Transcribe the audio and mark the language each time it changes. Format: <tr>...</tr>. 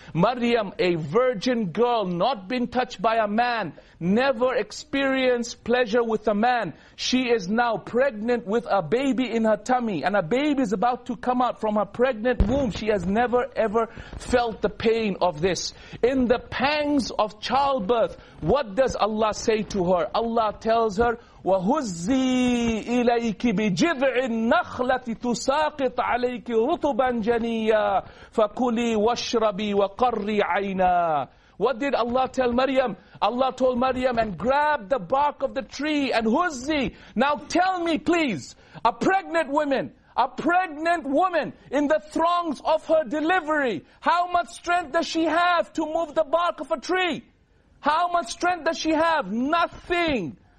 <en>Maryam, a virgin girl, not been touched by a man, never experienced pleasure with a man. She is now pregnant with a baby in her tummy. And a baby is about to come out from her pregnant womb. She has never ever felt the pain of this. In the pangs of childbirth, what does Allah say to her? Allah tells her,</en> <ar>وَهُزِّي إِلَيْكِ بِجِذْعِ النَّخْلَةِ تُسَاقِطْ عَلَيْكِ رُطُبًا جَنِيًّا فَكُلِي وَاشْرَبِي وَقَرِّي عَيْنًا.</ar> <en>What did Allah tell Maryam? Allah told Maryam, and grab the bark of the tree and huzzi. Now tell me please, a pregnant woman in the throngs of her delivery, how much strength does she have to move the bark of a tree? How much strength does she have? Nothing.</en>